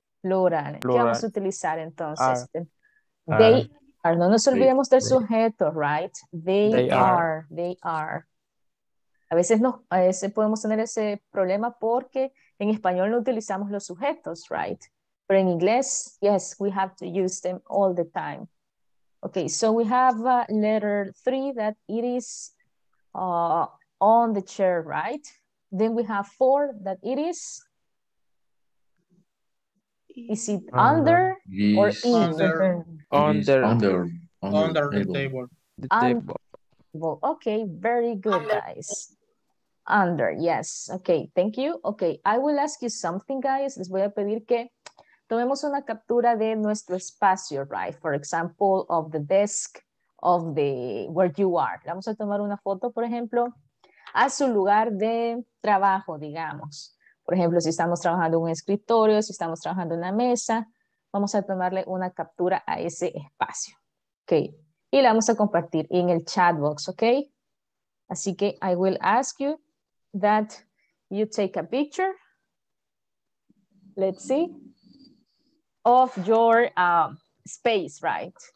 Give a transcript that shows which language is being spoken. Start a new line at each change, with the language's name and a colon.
Spanish: Plural. ¿Qué vamos a utilizar entonces?
English: They are.
Spanish: No nos olvidemos del sujeto, right?
English: They are. They are.
Spanish: A veces no, a veces podemos tener ese problema porque en español no utilizamos los sujetos, right? Pero en inglés,
English: yes, we have to use them all the time. Okay, so we have letter three, that it is on the chair, right? Then we have four, that it is. Is it under or is under? Under the table. Okay, very good, guys. Under, yes. Okay, thank you. Okay, I will ask you something, guys.
Spanish: Les voy a pedir que tomemos una captura de nuestro espacio, right?
English: For example, of the desk of the where you are.
Spanish: Vamos a tomar una foto, por ejemplo, a su lugar de trabajo, digamos. Por ejemplo, si estamos trabajando en un escritorio, si estamos trabajando en una mesa, vamos a tomarle una captura a ese espacio. Okay, y la vamos a compartir en el chat box, okay? Así que
English: I will ask you that you take a picture, let's see, of your space, right?